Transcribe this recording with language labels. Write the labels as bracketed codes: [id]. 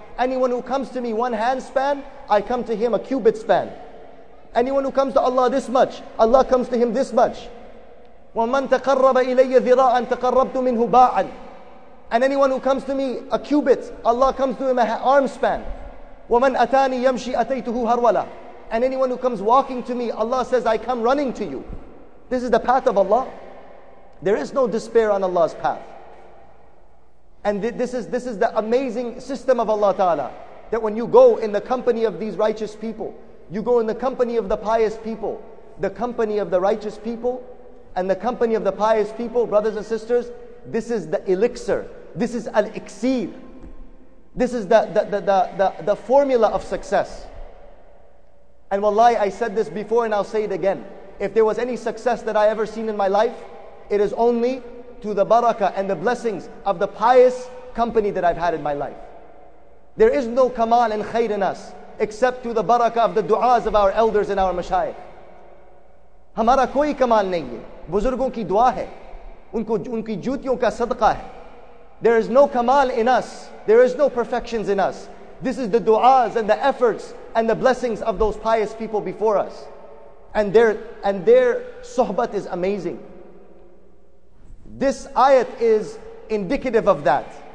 [en] Anyone who comes to me one hand span, I come to him a cubit span. Anyone who comes to Allah this much, Allah comes to him this much. [ar] وَمَنْ تَقَرَّبَ إِلَيَّ ذِرَاعًا تَقَرَّبْتُ مِنْهُ بَاعًا. [en] And anyone who comes to me a cubit, Allah comes to him an arm span. [ar] وَمَنْ أَتَانِي يَمْشِي أَتَيْتُهُ هَرْوَلًا. [en] And anyone who comes walking to me, Allah says, I come running to you. This is the path of Allah. There is no despair on Allah's path. And this is the amazing system of Allah Ta'ala, that when you go in the company of these righteous people, you go in the company of the pious people. The company of the righteous people and the company of the pious people, brothers and sisters, this is the elixir. This is al-iksir. This is the formula of success. And wallahi, I said this before and I'll say it again. if there was any success that I ever seen in my life, it is only to the barakah and the blessings of the pious company that I've had in my life. There is no kamal and khayr in us except to the barakah of the du'as of our elders and our mashayikh. [ur] ہمارا کوئی کمال نہیں ہے۔ بزرگوں کی دعا ہے۔ ان کی جوتیوں کا صدقہ ہے۔ [en] There is no kamal in us. There is no perfections in us. This is the du'as and the efforts and the blessings of those pious people before us. And their sohbat is amazing. This ayat is indicative of that.